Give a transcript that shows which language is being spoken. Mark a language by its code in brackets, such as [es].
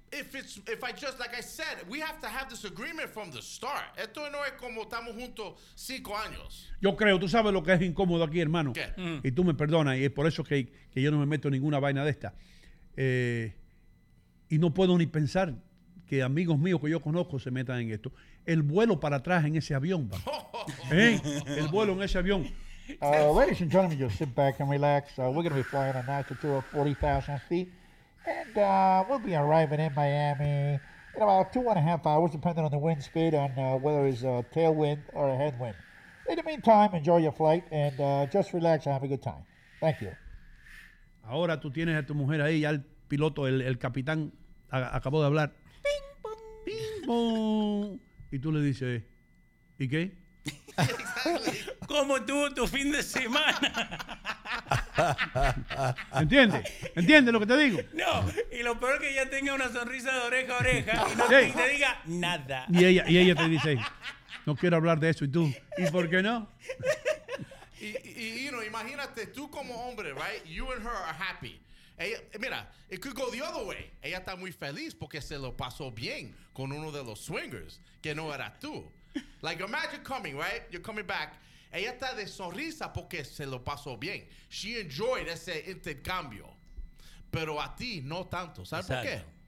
[en] if I just, like I said, we have to have this agreement from the start. [es] Esto no es como estamos juntos cinco años. Yo creo, tú sabes lo que es incómodo aquí, hermano. ¿Qué? Y tú me perdonas, y es por eso que yo no me meto en ninguna vaina de esta. Y no puedo ni pensar que amigos míos que yo conozco se metan en esto. El vuelo para atrás en ese avión, va. El vuelo en ese avión. [en] Ladies and gentlemen, just sit back and relax. We're going to be flying an altitude of 40,000 feet. And we'll be arriving in Miami in about 2.5 hours, depending on the wind speed and whether it's a tailwind or a headwind. In the meantime, enjoy your flight and just relax and have a good time. Thank you. [es] Ahora tú tienes a tu mujer ahí, ya el piloto, el capitán, acabó de hablar. Ping, boom. Ping, boom. Y tú le dices, ¿y qué? ¿Cómo estuvo tu fin de semana? ¿Entiendes? ¿Entiendes lo que te digo? No, y lo peor es que ella tenga una sonrisa de oreja a oreja y no sí. te diga nada. Y ella te dice, no quiero hablar de eso, y tú, ¿y por qué no? Y no, imagínate tú como hombre, right? [en] You and her are happy. [es] Ella, mira, [en] it could go the other way. [es] Ella está muy feliz porque se lo pasó bien con uno de los swingers, que no era tú. [en] Like, imagine coming, right? You're coming back. [es] Ella está de sonrisa porque se lo pasó bien. [en] She enjoyed [es] ese intercambio. Pero a ti, no tanto. ¿Sabes por qué?